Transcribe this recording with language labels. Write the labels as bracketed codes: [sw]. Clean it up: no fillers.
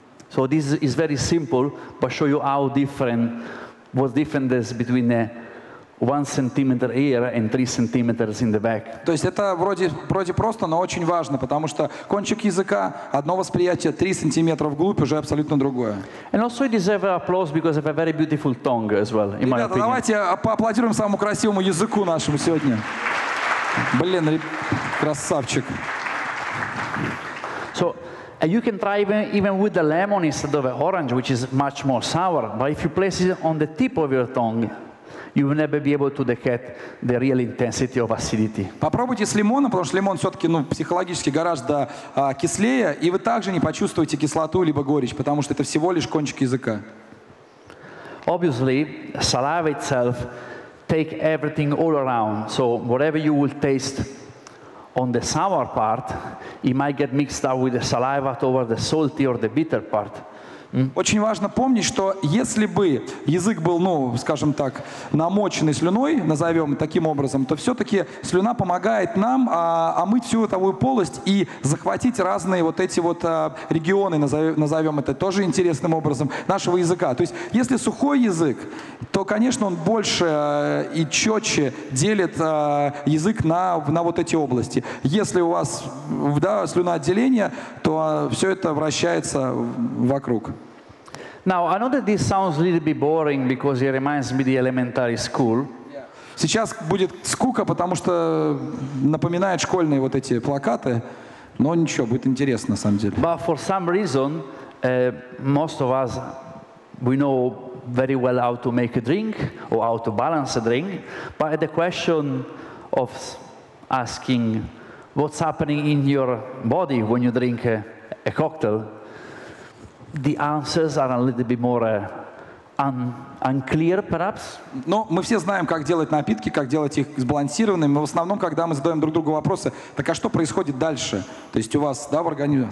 [en] So this is very simple, but show you how different what difference is between the 1 centimeter here and 3 centimeters in the back. [ru] То есть это вроде просто, но очень важно, потому что кончик языка одно восприятие, 3 сантиметра вглубь уже абсолютно другое. [en] And also it deserves applause because of a very beautiful tongue as well, in [ru] Ребята, [en] my opinion. [ru] Давайте поаплодируем самому красивому языку нашему сегодня. Блин, красавчик. [en] So. And you can try even with the lemon instead of the orange, which is much more sour. But if you place it on the tip of your tongue, you will never be able to detect the real intensity of acidity. [ru] Попробуйте с лимоном, потому что лимон все-таки, ну, психологически гораздо кислее, и вы также не почувствуете кислоту либо горечь, потому что это всего лишь кончик языка. [en] Obviously, saliva itself take everything all around. So whatever you will taste on the sour part, it might get mixed up with the saliva over the salty or the bitter part. [ru] Очень важно помнить, что если бы язык был, ну, скажем так, намоченный слюной, назовем таким образом, то все-таки слюна помогает нам омыть всю ротовую полость и захватить разные вот эти вот регионы, назовем это тоже интересным образом, нашего языка. То есть если сухой язык, то, конечно, он больше и четче делит язык на вот эти области. Если у вас, да, слюноотделение, то все это вращается вокруг. [en] Now, I know that this sounds a little bit boring because it reminds me of the elementary school. [ru] Сейчас будет скука, потому что напоминает школьные вот эти плакаты, но ничего, будет интересно на самом деле. [en] But for some reason, most of us, we know very well how to make a drink or how to balance a drink, but the question of asking what's happening in your body when you drink a cocktail, the answers are a little bit more unclear, perhaps. [ru] Но мы все знаем, как делать напитки, как делать их сбалансированными. Но в основном, когда мы задаем друг другу вопросы, так а что происходит дальше? То есть у вас, да, в организме?